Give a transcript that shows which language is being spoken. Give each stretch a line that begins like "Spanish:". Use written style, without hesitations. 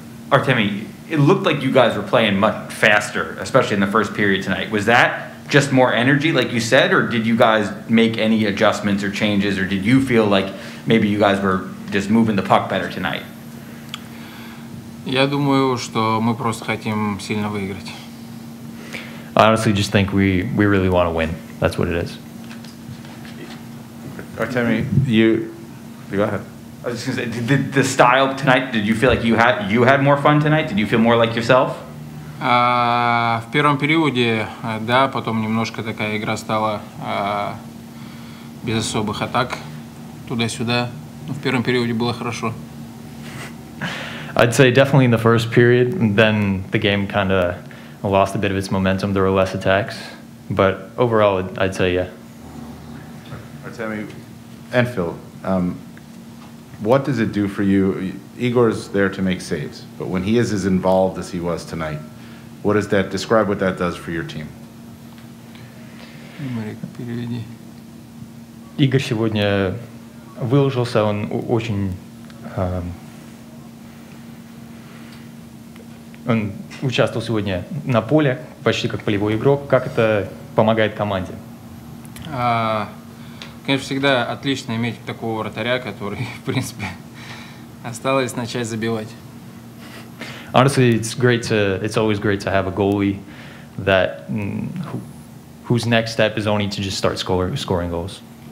English: Artemi, it looked like you guys were playing much faster, especially in the first period tonight. Was that just more energy, like you said, or did you guys make any adjustments or changes, or did you feel like maybe you guys were just moving the puck better tonight?
Russian: Я думаю, что мы просто хотим сильно выиграть.
English: I honestly just think we really want to win. That's what it is. Artemi, you go ahead. I was just gonna say, did the style tonight, did you feel like you had more fun tonight? Did you feel more like yourself?
Russian: В первом периоде, да, потом немножко такая игра стала без особых атак туда-сюда. Но в первом периоде было хорошо.
English: I'd say definitely in the first period, then the game kind of lost a bit of its momentum. There were less attacks. But overall, I'd say, yeah. Artemi and Phil, what does it do for you? Igor's there to make saves, but when he is as involved as he was tonight, what does that describe what that does for your team?
Russian: Игорь сегодня выложился, он очень... Он участвовал сегодня на поле, почти как полевой игрок. Как это помогает команде? Конечно, всегда отлично иметь такого вратаря, который, в принципе, осталось начать забивать.
English: Honestly, it's always great to have a goalie that whose next step is only to just start scoring goals.